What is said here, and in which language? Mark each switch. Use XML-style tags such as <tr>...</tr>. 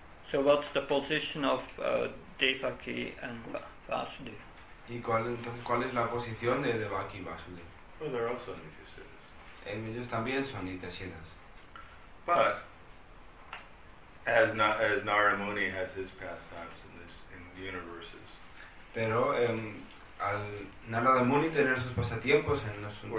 <en>So what's the position of Devaki and Vasudev?</en> <es>¿Y cuál, entonces, cuál es la posición de Devaki y Vasudev?</es> <en>Well, they're also Nitya Siddhas.</en> <es>Ellos también son Nitya Siddhas.</es> <en>But as Narada Muni has his pastimes in this in the universes.</en> <es>Pero al Narada Muni tener sus pasatiempos en los</es>